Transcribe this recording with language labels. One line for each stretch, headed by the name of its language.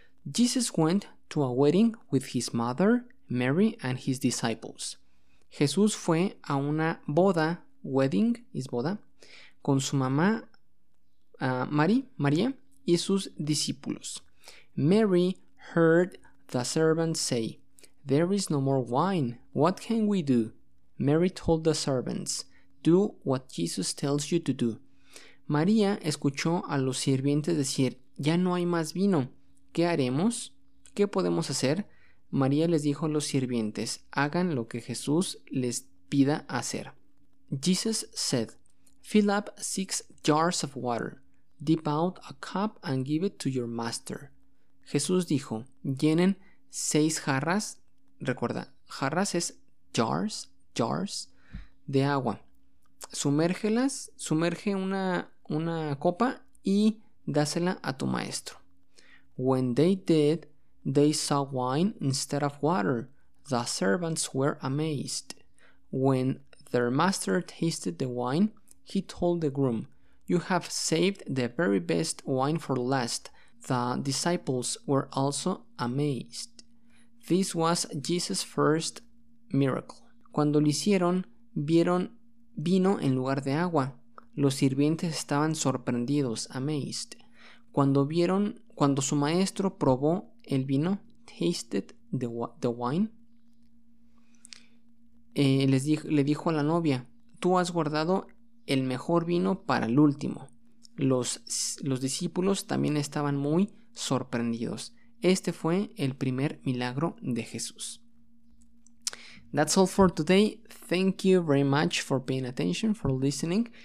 English: Jesus went to a wedding with his mother, Mary, and his disciples.
Spanish: Jesús fue a una boda,
English: wedding is
Spanish: boda, con su mamá, María, y sus discípulos.
English: Mary heard the servant say, "There is no more wine. What can we do?" Mary told the servants, "Do what Jesus tells you to do."
Spanish: María escuchó a los sirvientes decir, "Ya no hay más vino. ¿Qué haremos? ¿Qué podemos hacer?" María les dijo a los sirvientes, "Hagan lo que Jesús les pida hacer."
English: Jesus said, "Fill up 6 jars of water. Dip out a cup and give it to your master."
Spanish: Jesús dijo, "Llenen 6 jarras." Recuerda, jarras es jars de agua. Sumerge una copa y dásela a tu maestro.
English: When they did, they saw wine instead of water. The servants were amazed. When their master tasted the wine, he told the groom, "You have saved the very best wine for last." The disciples were also amazed. This was Jesus' first miracle.
Spanish: Cuando lo hicieron, vieron vino en lugar de agua. Los sirvientes estaban sorprendidos, amazed. Cuando su maestro probó el vino,
English: tasted the wine,
Spanish: le dijo a la novia, "Tú has guardado el mejor vino para el último." Los discípulos también estaban muy sorprendidos. Este fue el primer milagro de Jesús.
English: That's all for today. Thank you very much for paying attention, for listening.